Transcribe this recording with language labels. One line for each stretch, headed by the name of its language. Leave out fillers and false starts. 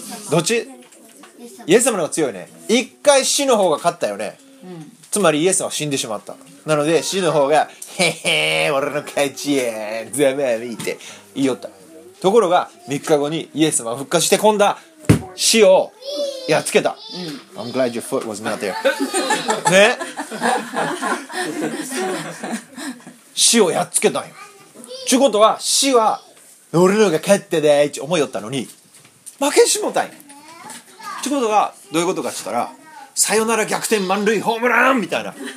Japanese: どっち？イエス様の方が強いね。一回死の方が勝ったよね、うん、つまりイエス様は死んでしまった。なので死の方がへへー俺の勝ちやーザマーミーって言いよった。ところが3日後にイエス様は復活して今度は死をやっつけた、うん、
English: I'm glad your foot was not there
Japanese: ね死をやっつけたんよ。ちゅうことは死は俺のが勝ってでーって思いよったのに負けしもたん。ちゅうことはどういうことかって言ったら、さよなら逆転満塁ホームランみたいな